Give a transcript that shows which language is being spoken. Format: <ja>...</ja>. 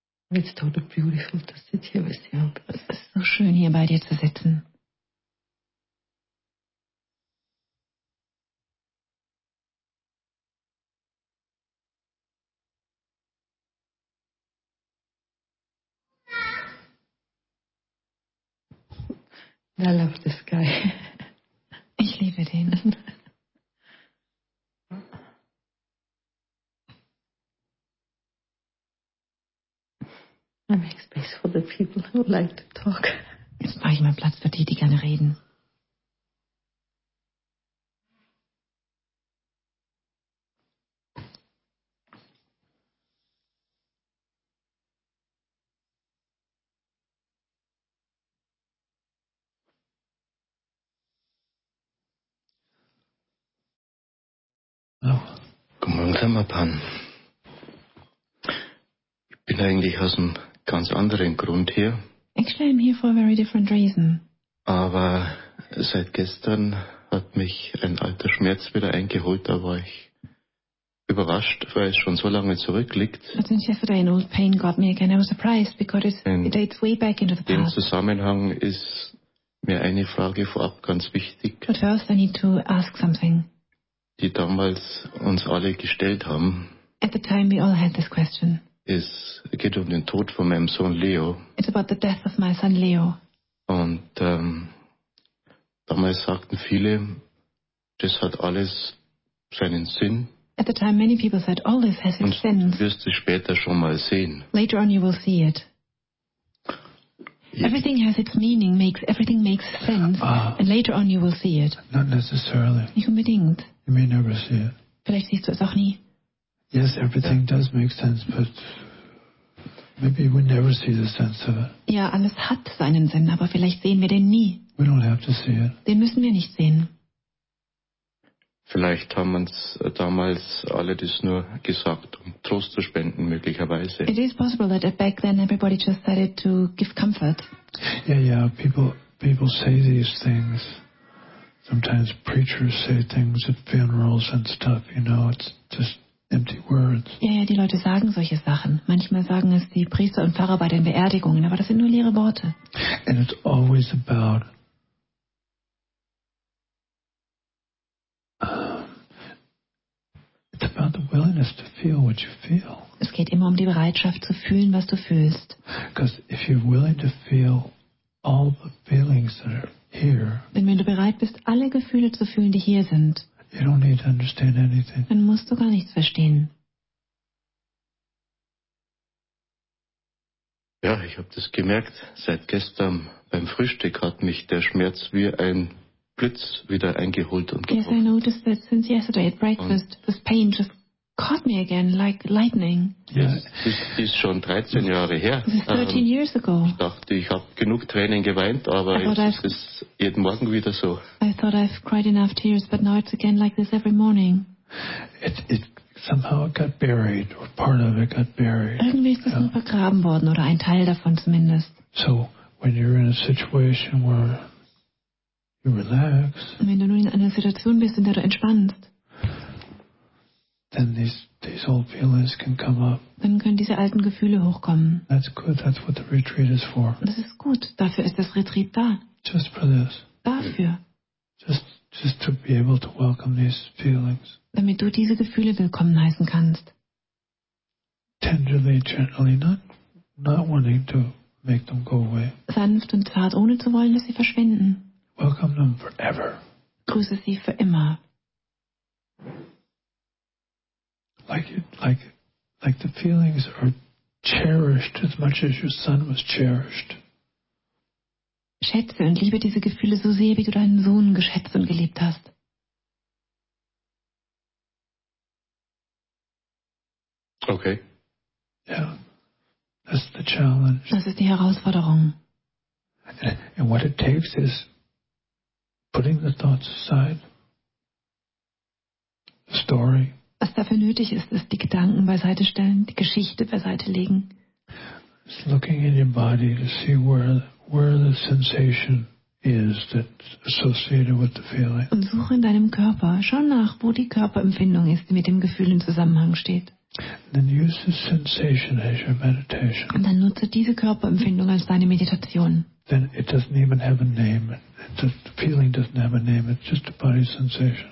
<en>It's totally beautiful to sit here with you.</en> <de>Es ist so schön, hier bei dir zu sitzen.</de> <en>I love this guy.</en> <de>Ich liebe den.</de> <en>I make space for the people who like to talk.</en> <de>Jetzt mache ich mal Platz für die, die gerne reden. Guten Morgen, Samapan. Ich bin eigentlich aus einem ganz anderen Grund hier.</de> <en>Actually, I'm here for a very different reason.</en> <de>Aber seit gestern hat mich ein alter Schmerz wieder eingeholt. Da war ich überrascht, weil es schon so lange zurückliegt.</de> <en>But since yesterday an old pain got me again, I was surprised because it dates way back into the past.</en> <de>In dem Zusammenhang ist mir eine Frage vorab ganz wichtig.</de> <en>But first I need to ask something.</en> <de>Die damals uns alle gestellt haben.</de> <en>At the time we all had this question.</en> <de>Es geht um den Tod von meinem Sohn Leo.</de> <en>It's about the death of my son Leo.</en> <de>Und damals sagten viele, das hat alles seinen Sinn.</de> <en>At the time many people said, all this has its sense.</en> <de>Und wirst du später schon mal sehen.</de> <en>Later on you will see it. Yes. Everything has its meaning, everything makes sense, and later on you will see it. Not necessarily.</en> <de>Nicht unbedingt.</de> <en>You may never see it.</en> <de>Vielleicht siehst du es auch nie.</de> <en>Yes, everything does make sense, but maybe we never see the sense of it.</en> <de>Ja, alles hat seinen Sinn, aber vielleicht sehen wir den nie.</de> <en>We don't have to see it.</en> <de>Den müssen wir nicht sehen. Vielleicht haben uns damals alle das nur gesagt, um Trost zu spenden, möglicherweise.</de> <en>It is possible that back then everybody just said it to give comfort. Yeah, people say these things. Sometimes preachers say things at funerals and stuff, you know, it's just empty words.</en> <de>Ja, die Leute sagen solche Sachen. Manchmal sagen es die Priester und Pfarrer bei den Beerdigungen, aber das sind nur leere Worte.</de> <en>And it's always about it's about the willingness to feel what you feel.</en> <de>Es geht immer um die Bereitschaft zu fühlen, was du fühlst.</de> <en>Because if you're willing to feel all the feelings that are here,</en> <de>wenn du bereit bist, alle Gefühle zu fühlen, die hier sind,</de> <en>you don't need to understand anything.</en> <de>Dann musst du gar nichts verstehen. Ja, ich habe das gemerkt. Seit gestern beim Frühstück hat mich der Schmerz wie ein Blitz wieder eingeholt und gebrochen.</de> <en>Yes, I noticed that since yesterday at breakfast, und this pain just caught me again, like lightning.</en> <de>Yes. Das ist schon 13 Jahre her.</de> <en>This is 13 years ago.</en> <de>Ich dachte, ich habe genug Tränen geweint, aber jetzt ist es jeden Morgen wieder so.</de> <en>I thought I've cried enough tears, but now it's again like this every morning. It somehow got buried, or part of it got buried.</en> <de>Irgendwie ist es nur vergraben worden, oder ein Teil davon zumindest.</de> <en>So, when you're in a situation where you relax,</en> <de>und wenn du nun in einer Situation bist, in der du entspannst,</de> <en>then these old feelings can come up.</en> <de>Dann können diese alten Gefühle hochkommen.</de> <en>That's good. That's what the retreat is for.</en> <de>Das ist gut. Dafür ist das Retreat da.</de> <en>Just for this.</en> <de>Dafür.</de> <en>Just to be able to welcome these feelings.</en> <de>Damit du diese Gefühle willkommen heißen kannst.</de> <en>Tenderly, gently, not wanting to make them go away.</en> <de>Sanft und zart, ohne zu wollen, dass sie verschwinden.</de> <en>Welcome them forever.</en> <de>Grüße sie für immer.</de> <en>Like the feelings are cherished as much as your son was cherished.</en> <de>Schätze und liebe diese Gefühle so sehr, wie du deinen Sohn geschätzt und geliebt hast.</de> <en>Okay. Yeah. That's the challenge.</en> <de>Das ist die Herausforderung.</de> <en>And what it takes is putting the thoughts aside. The story.</en> <de>Was dafür nötig ist, ist die Gedanken beiseite stellen, die Geschichte beiseite legen.</de> <en>It's looking in your body to see where the sensation is that's associated with the feeling.</en> <de>Und suche in deinem Körper, schau nach, wo die Körperempfindung ist, die mit dem Gefühl in Zusammenhang steht.</de> <en>Then use the sensation as your meditation.</en> <de>Und dann nutze diese Körperempfindung als deine Meditation.</de> <en>Then it doesn't even have a name. The feeling doesn't have a name. It's just a body sensation.</en>